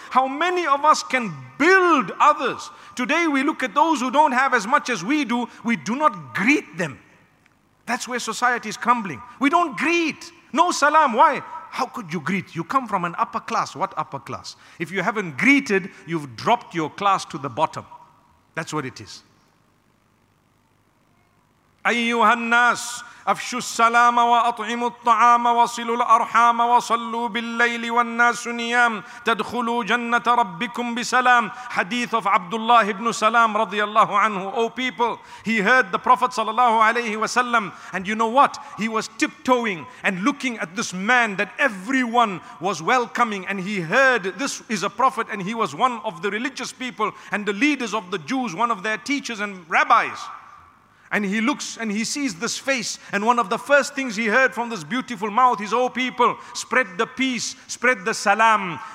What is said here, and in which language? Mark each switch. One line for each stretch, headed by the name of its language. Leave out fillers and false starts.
English: How many of us can build others? Today we look at those who don't have as much as we do. We do not greet them. That's where society is crumbling. We don't greet. No salam. Why? How could you greet? You come from an upper class. What upper class? If you haven't greeted, you've dropped your class to the bottom. That's what it is.
Arabic: أيها الناس أفشوا السلام وأطعموا الطعام وصلوا الأرحام وصلوا بالليل والناس نيام تدخلوا جنة ربكم بسلام حديث of Abdullah ibn Salam رضي الله عنه
English: Oh people, he heard the Prophet
Arabic: صلى الله عليه وسلم
English: and you know what? He was tiptoeing and looking at this man that everyone was welcoming and he heard this is a prophet and he was one of the religious people and the leaders of the Jews, one of their teachers and rabbis. And he looks and he sees this face. And one of the first things he heard from this beautiful mouth is, Oh people, spread the peace, spread the salam.